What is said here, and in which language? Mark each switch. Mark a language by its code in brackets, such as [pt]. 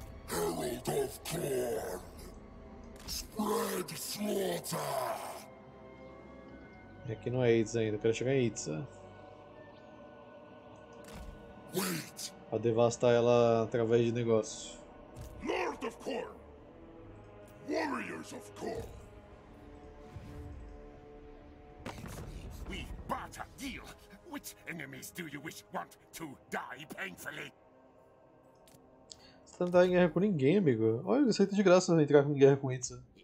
[en] Herald of Korn, spread slaughter. [pt] Aqui não é Itza ainda, quero chegar em Itza. Wait. Pra devastar ela através de negócio. [en] Lord of Korn, warriors of Korn. We barter deal. Which enemies do you wish want to die painfully? [pt] Você não tá em guerra com ninguém, amigo. Olha, isso aí tá de graça, entrar em guerra com Itza.